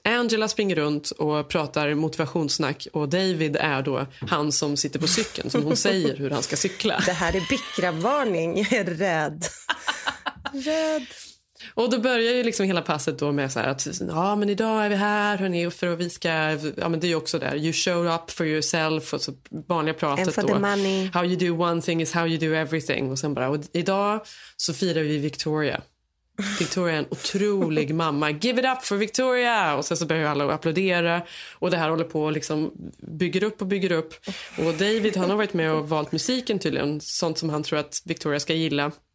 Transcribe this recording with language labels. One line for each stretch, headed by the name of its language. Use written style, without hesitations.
Swedish: Angela springer runt och pratar motivationssnack. Och David är då han som sitter på cykeln, som hon säger hur han ska cykla. Det här är Bikram-varning. Jag är rädd. Red. Och då börjar ju liksom hela passet då med så här att ja, men idag är vi här hörni, för att vi ska, ja men det är ju också där,
English: you show up for yourself,
Swedish: och så vanliga pratet
English: and for
Swedish: då
English: the money. How you do one thing is how you do everything.
Swedish: Och sen bara, och idag så firar vi Victoria är en otrolig mamma,
English: give it up for Victoria.
Swedish: Och sen så börjar alla applådera, och det här håller på och liksom bygger upp och bygger upp, och David, han har varit med och valt musiken tydligen, sånt som han tror att Victoria ska gilla.